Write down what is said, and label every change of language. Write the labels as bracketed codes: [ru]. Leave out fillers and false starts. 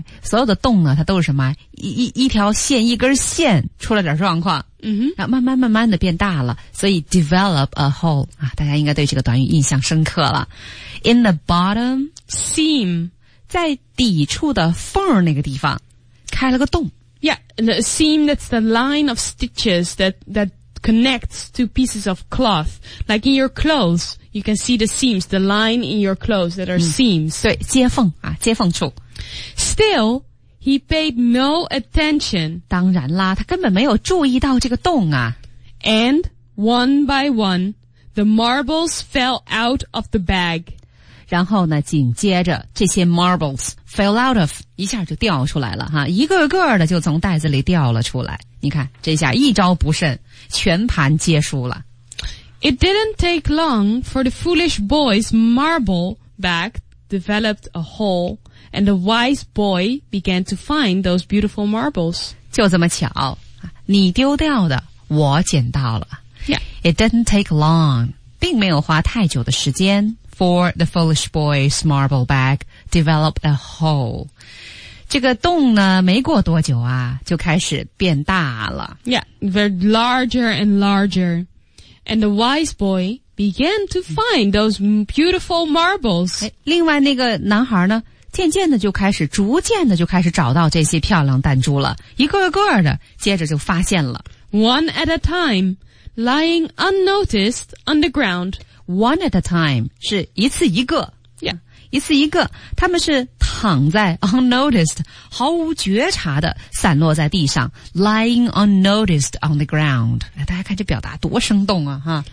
[zh] 所有的洞呢它都是什么 一条线一根线出了点状况。 [en] Mm-hmm. [zh] 然后慢慢慢慢的变大了。所以 [en] develop a hole, [zh] 啊大家应该对这个短语印象深刻了。 [en] In the bottom seam, [zh] 在底处的缝那个地方开了个洞。 [en] Yeah, the seam, that's the line of stitches that connects two pieces of cloth. Like in your clothes, you can see the seams, the line in your clothes that are seams. [zh] 对接缝啊接缝处。 [en] Still, he paid no attention. [zh] 当然啦他根本没有注意到这个洞啊。 [en] And one by one, the marbles fell out of the bag. [zh] 然后呢紧接着这些 marbles, [en] fell out of, [zh] 一下就掉出来了哈一个个的就从袋子里掉了出来。你看这下一招不慎全盘皆输了。 [en] It didn't take long for the foolish boy's marble bag developed a hole, and the wise boy began to find those beautiful marbles. [zh] 就这么巧你丢掉的我捡到了。 [en] Yeah. It didn't take long, [zh] 并没有花太久的时间 [en] for the foolish boy's marble bag,develop a hole. [zh] 这个洞呢没过多久啊就开始变大了。 [en] Yeah, they're larger and larger. And the wise boy began to find those beautiful marbles. [zh] 另外那个男孩呢渐渐的就开始逐渐的就开始找到这些漂亮弹珠了。一个个的接着就发现了。 [en] One at a time, lying unnoticed on the ground. One at a time, [zh] 是一次一个。 [en] Yeah. [zh] 一次一个他们是躺在 unnoticed 毫无觉察的散落在地上 [en] lying unnoticed on the ground [zh] 大家看这表达多生动啊哈